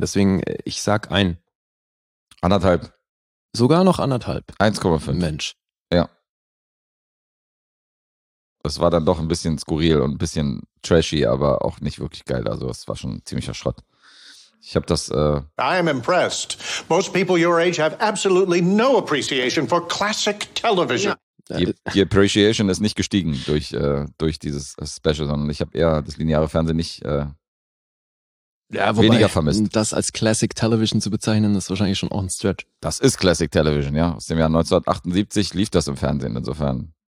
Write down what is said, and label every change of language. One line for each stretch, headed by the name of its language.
German: Deswegen, ich sag 1,5. Sogar noch 1,5. 1,5. Mensch. Ja. Es war dann doch ein bisschen skurril und ein bisschen trashy, aber auch nicht wirklich geil. Also es war schon ein ziemlicher Schrott. Ich habe das.
English: I am impressed. Most people your age have absolutely no appreciation for classic television.
German: Die Appreciation ist nicht gestiegen durch dieses Special, sondern ich habe eher das lineare Fernsehen nicht weniger vermisst. Das als Classic Television zu bezeichnen, ist wahrscheinlich schon auch ein Stretch. Das ist Classic Television, ja. Aus dem Jahr 1978 lief das im Fernsehen, insofern.